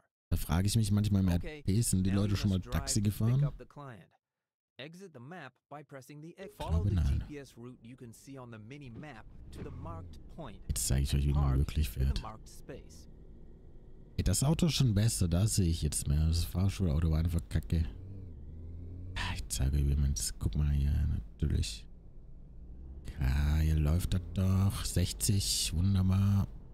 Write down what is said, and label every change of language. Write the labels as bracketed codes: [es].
[de] Da frage ich mich manchmal im RP, sind die Leute schon mal Taxi gefahren? [en] Exit the map by pressing the X. Follow the GPS route you can see on the mini map to the marked point. [de] Jetzt zeige ich euch, wie man wirklich fährt. Ey, das Auto ist schon besser, das sehe ich jetzt mehr. Das Fahrschulauto war einfach kacke. Ich zeige euch, wie man es. Guck mal hier, natürlich. Ja, hier läuft das doch. 60, wunderbar.